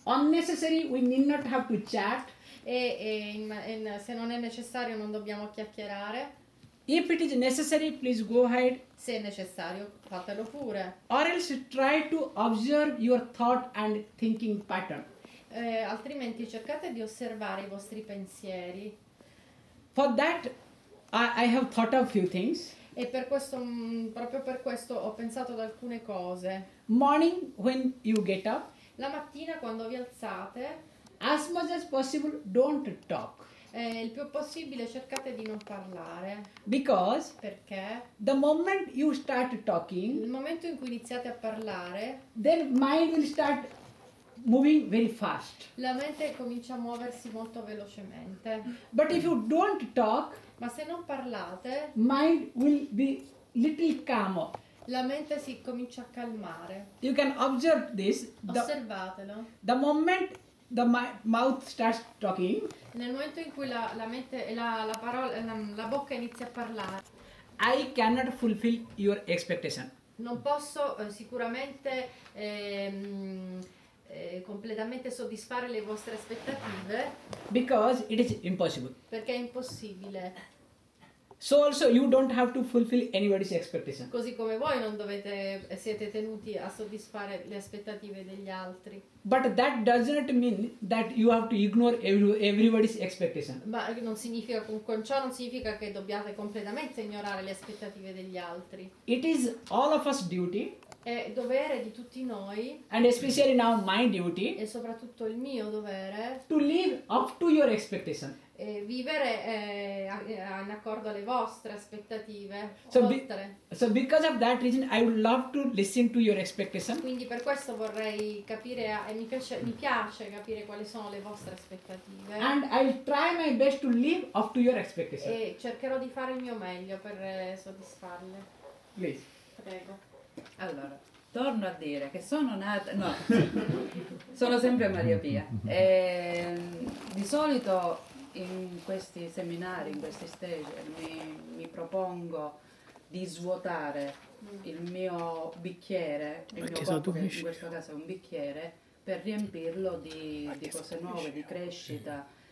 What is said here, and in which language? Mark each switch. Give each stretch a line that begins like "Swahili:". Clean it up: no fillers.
English: Unnecessary, we need not have to chat.
Italian: E se non è necessario non dobbiamo chiacchierare.
English: If it is necessary, please go ahead.
Italian: Se è necessario, fatelo pure.
English: Or else try to observe your thought and thinking pattern.
Italian: Altrimenti cercate di osservare i vostri pensieri.
English: For that, I have thought of few things.
Italian: E per questo, proprio per questo, ho pensato ad alcune cose.
English: Morning, when you get up.
Italian: La mattina, quando vi alzate.
English: As much as possible, don't talk.
Italian: Il più possibile cercate di non parlare.
English: Because
Italian: perché
English: the moment you start talking,
Italian: il momento in cui iniziate a parlare,
English: then mind will start moving very fast.
Italian: La mente comincia a muoversi molto velocemente.
English: But if you don't talk,
Italian: ma se non parlate,
English: mind will be little calmer.
Italian: La mente si comincia a calmare.
English: You can observe this.
Italian: Osservatelo.
English: The moment the mouth starts talking.
Italian: Nel momento in cui la mente, la parola, la bocca inizia a parlare.
English: I cannot fulfill your expectation.
Italian: Non posso sicuramente completamente soddisfare le vostre aspettative.
English: Because it is impossible.
Italian: Perché è impossibile.
English: So also you don't have to fulfill anybody's expectation.
Italian: Così come voi non dovete, siete tenuti a soddisfare le aspettative degli altri.
English: But that doesn't mean that you have to ignore everybody's expectation.
Italian: Ma non significa, con ciò non significa che dobbiate completamente ignorare le aspettative degli altri.
English: It is all of us duty.
Italian: È dovere di tutti noi.
English: And especially now my duty.
Italian: E soprattutto il mio dovere.
English: To live up to your expectation.
Italian: E vivere in accordo alle vostre aspettative.
English: So because of that reason I would love to listen to your expectation.
Italian: Quindi per questo vorrei capire e mi piace capire quali sono le vostre aspettative.
English: And I'll try my best to live up to your expectation.
Italian: E cercherò di fare il mio meglio per soddisfarle.
English: Please.
Italian: Prego. Allora, torno a dire che sono nata, no, sono sempre Maria Pia. E di solito in questi seminari, in questi stage, mi propongo di svuotare il mio bicchiere, il mio corpo, in questo caso è un bicchiere, per riempirlo di cose nuove, di crescita.